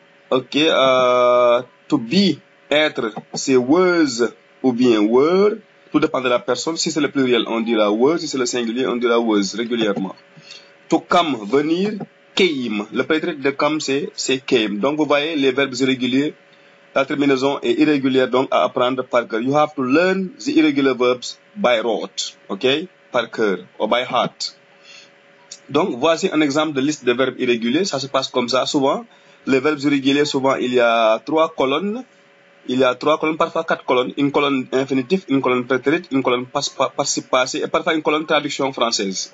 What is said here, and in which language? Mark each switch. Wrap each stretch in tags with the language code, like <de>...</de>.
<fr>Ok, to be, être, c'est was ou bien were. Tout dépend de la personne. Si c'est le pluriel, on dira was. Si c'est le singulier, on dira was régulièrement. To come, venir, came. Le préterit de come, c'est came. Donc, vous voyez, les verbes irréguliers, la terminaison est irrégulière, donc à apprendre par cœur.</fr> <en>You have to learn the irregular verbs by rote.</en> <fr>Ok? Par cœur, ou by heart. Donc, voici un exemple de liste de verbes irréguliers. Ça se passe comme ça souvent. Les verbes irréguliers, souvent, il y a trois colonnes. Il y a trois colonnes, parfois quatre colonnes. Une colonne infinitif, une colonne préterite, une colonne participe-passé et parfois une colonne traduction française.</fr>